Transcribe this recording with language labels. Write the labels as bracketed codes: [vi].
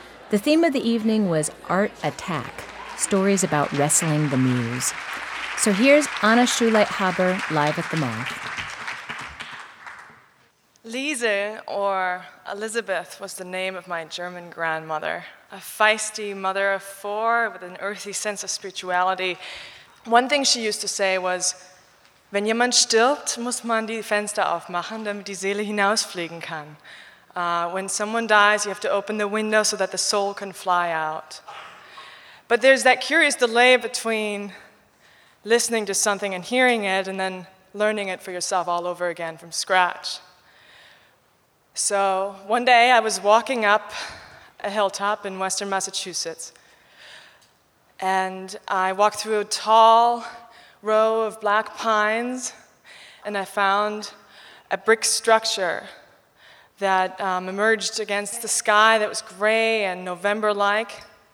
[en] The theme of the evening was Art Attack, stories about wrestling the muse. So here's Anna Shulate Haber live at the Moth. Lise, or Elizabeth, was the name of my German grandmother, a feisty mother of four with an earthy sense of spirituality. One thing she used to say was, [de] wenn jemand stirbt, muss man die Fenster aufmachen, damit die Seele hinausfliegen kann. [en] When someone dies, you have to open the window so that the soul can fly out. But there's that curious delay between listening to something and hearing it, and then learning it for yourself all over again from scratch. So one day I was walking up a hilltop in western Massachusetts, and I walked through a tall row of black pines, and I found a brick structure that emerged against the sky that was gray and November-like.